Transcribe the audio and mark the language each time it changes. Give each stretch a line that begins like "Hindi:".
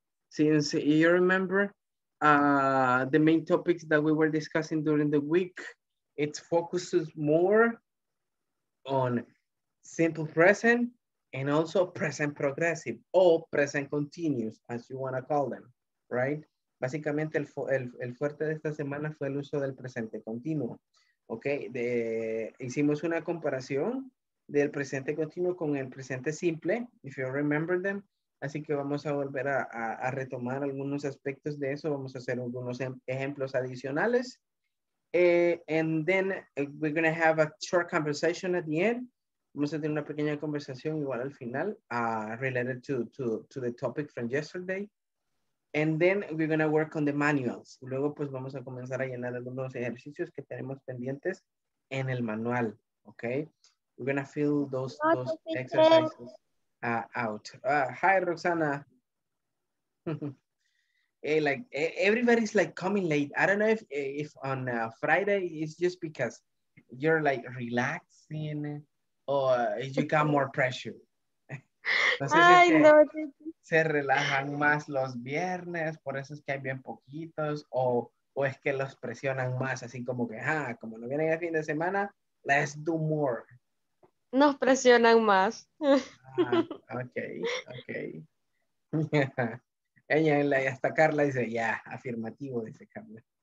English: Since you remember, the main topics that we were discussing during the week, it focuses more on simple present and also present progressive or present continuous, as you want to call them, right?
Spanish: Básicamente, el fuerte de esta semana fue el uso del presente continuo. Ok, hicimos una comparación del presente continuo con el presente simple,
English: if you remember them.
Spanish: Así que vamos a volver a retomar algunos aspectos de eso. Vamos a hacer algunos ejemplos adicionales.
English: And then we're going to have a short conversation at the end.
Spanish: Vamos a tener una pequeña conversación igual al final,
English: related to the topic from yesterday. And then we're going to work on the manuals.
Spanish: Luego, pues, vamos a comenzar a llenar algunos ejercicios que tenemos pendientes en el manual, okay?
English: We're going to fill those exercises out. Hi, Roxana. Hey, like, everybody's, like, coming late. I don't know if on Friday it's just because you're, like, relaxing or you got more pressure.
Spanish: No sé si se relajan más los viernes, por eso es que hay bien poquitos, o es que los presionan más, así como que, ah, como no vienen el fin de semana,
English: let's do more.
Spanish: Nos presionan más. Ok. Yeah. Ella, y hasta Carla dice, ya, yeah, afirmativo, dice Carla.